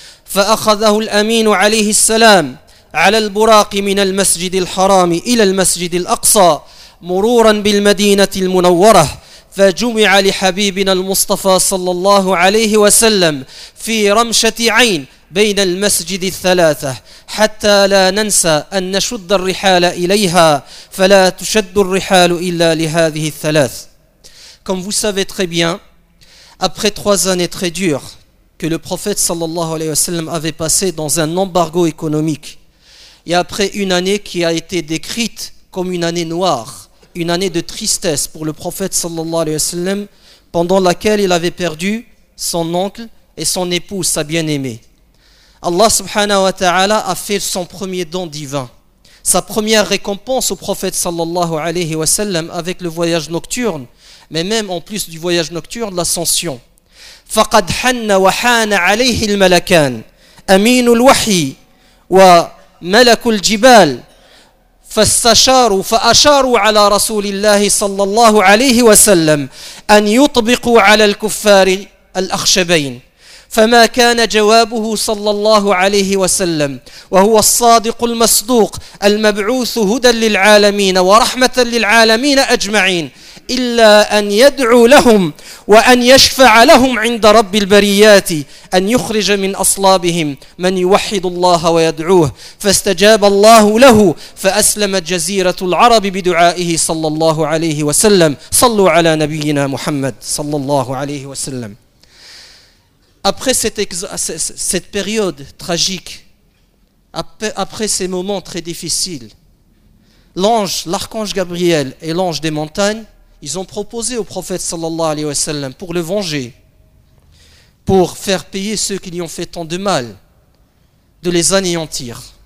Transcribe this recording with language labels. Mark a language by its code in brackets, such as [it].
[ar] فأخذه الأمين عليه السلام على البراق من المسجد الحرام إلى المسجد الأقصى مرورا بالمدينة المنورة، فجمع لحبيبنا المصطفى صلى الله عليه وسلم في رمشة عين بين المسجد الثلاثة، حتى لا ننسى أن نشد الرحال إليها، فلا تشد الرحال إلا لهذه الثلاث. [fr] Comme vous savez très bien, après trois années très dures que le prophète sallallahu alayhi wa sallam avait passé dans un embargo économique, et après une année qui a été décrite comme une année noire, une année de tristesse pour le prophète sallallahu alayhi wa sallam, pendant laquelle il avait perdu son oncle et son épouse, sa bien-aimée, Allah subhanahu wa ta'ala a fait son premier don divin, sa première récompense au prophète sallallahu alayhi wa sallam avec le voyage nocturne, mais même en plus du voyage nocturne, l'ascension. [ar] فَقَدْ حَنَّ وَحَانَ عَلَيْهِ الْمَلَكَانِ أَمِينُ الْوَحِي وَمَلَكُ الْجِبَالِ فاستشاروا فأشاروا على رسول الله صلى الله عليه وسلم أن يطبقوا على الكفار الأخشبين. فما كان جوابه صلى الله عليه وسلم وهو الصادق المصدوق المبعوث هدى للعالمين ورحمة للعالمين أجمعين، إلا أن يدعو لهم وأن يشفع لهم عند رب البريات، أن يخرج من أصلابهم من يوحد الله ويدعوه، فاستجاب الله له فأسلمت جزيرة العرب بدعائه صلى الله عليه وسلم. صلوا على نبينا محمد صلى الله عليه وسلم. [fr] Après cette période tragique, après ces moments très difficiles, l'ange, l'archange Gabriel et l'ange des montagnes, ils ont proposé au prophète sallallahu alayhi wa sallam pour le venger, pour faire payer ceux qui lui ont fait tant de mal, de les anéantir.